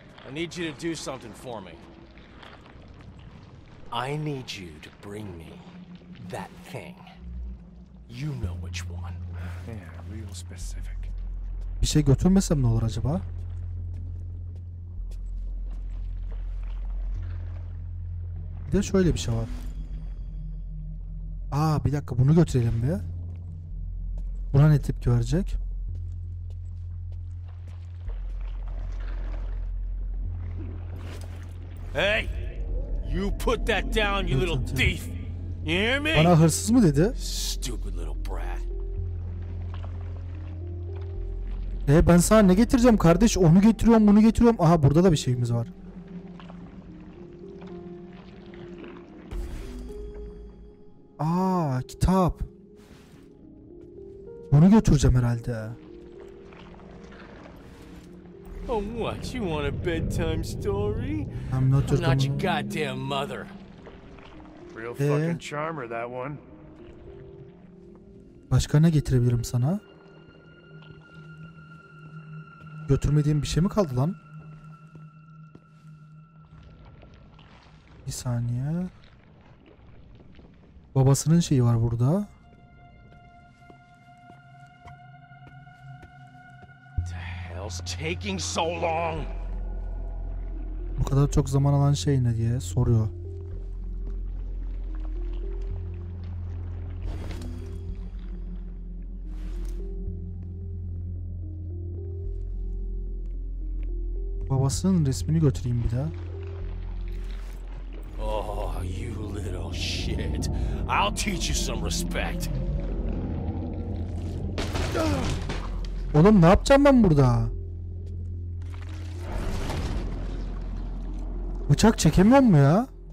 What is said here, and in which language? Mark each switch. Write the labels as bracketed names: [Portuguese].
[English] I need you to do something for me. I need you to bring me that thing. You know which one. Yeah, real specific. [Turkish] Bir şey götürmesem ne olur acaba? Bir de şöyle bir şey var. Aa, bir dakika, bunu götürelim bir. Buna ne tepki verecek? [English] Hey! You put that down, you little thief. You hear me? [Turkish] Bana hırsız mı dedi? [English] Stupid little brat. [Turkish] Ben sana ne getireceğim kardeş? Onu getiriyorum, bunu getiriyorum. Aha, burada da bir şeyimiz var. Aa, kitap. Bunu götüreceğim herhalde. [English] Oh, what? You want a bedtime story? I'm not your goddamn mother. Real fucking charmer that one. [Turkish] Başka ne getirebilirim sana? Götürmediğim bir şey mi kaldı lan? Bir saniye. Babasının şeyi var burada. [English] Taking so long. [Turkish] Bu kadar çok zaman alan şey ne diye soruyor. Babasının resmini götüreyim bir daha. [English] Oh, you little shit. I'll teach you some respect. [Turkish] Oğlum ne yapacağım ben burada? Bıçak çekemiyor mu ya?